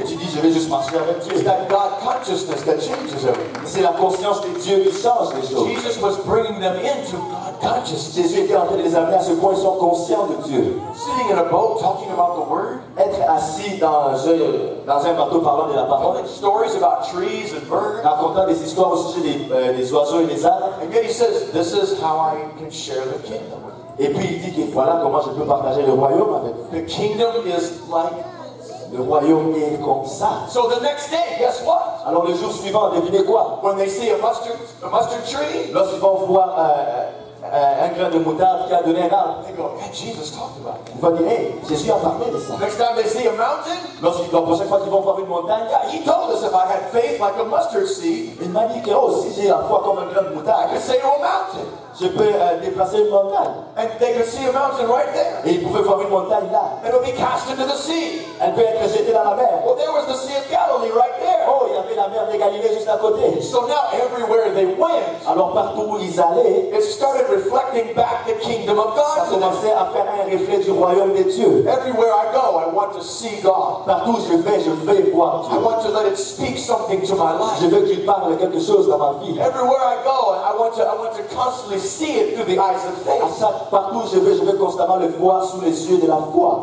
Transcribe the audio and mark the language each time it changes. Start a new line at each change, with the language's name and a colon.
French: Et tu dis, je vais juste marcher avec Dieu.
English: It's that God consciousness that changes everything.
French: C'est la conscience de Dieu qui change les choses.
English: Jesus was bringing them into God consciousness.
French: Jésus était en train de les amener à ce point, ils sont conscients de Dieu.
English: Sitting in a boat, talking about the word.
French: Être assis dans un bateau parlant de la parole.
English: Telling stories about trees and birds.
French: Racontant des histoires au sujet des oiseaux et des arbres.
English: And then he says, this is how I can share the kingdom.
French: Et puis il dit que voilà comment je peux partager le royaume avec vous.
English: The kingdom is like
French: le royaume est comme ça.
English: So the next day, guess what?
French: Alors le jour suivant, devinez quoi?
English: When they see a mustard tree,
French: lorsqu'ils vont voir un grain de moutarde qui a donné un arbre,
English: they go, hey, Jesus talked about it.
French: Ils vont dire, hey, Jésus a parlé de ça.
English: Next time they see a mountain,
French: lorsqu'ils vont prochaine fois qu'ils vont voir une montagne,
English: yeah, he told us if I had faith like a mustard seed,
French: il m'a dit que oh, si j'ai la foi comme un grain de moutarde,
English: I could say a mountain.
French: Je peux déplacer une montagne.
English: And they could see a mountain right there.
French: Et ils pouvaient voir une montagne là.
English: It would be cast into the sea.
French: Elle peut être jetée dans la mer.
English: Well, there was the Sea of Galilee right there.
French: Oh, il y avait la mer de Galilée juste à côté.
English: So now everywhere they went,
French: alors partout où ils allaient,
English: it started reflecting back the kingdom of God.
French: Ça commençait à faire un reflet du royaume de Dieu.
English: Everywhere I go, I want to see God.
French: Partout où je vais voir Dieu.
English: I want to let it speak something to my life.
French: Je veux qu'il parle quelque chose dans ma vie.
English: Everywhere I go, I want to constantly see it through the eyes of faith.
French: À chaque partout où je vais constamment le voir sous les yeux de la foi.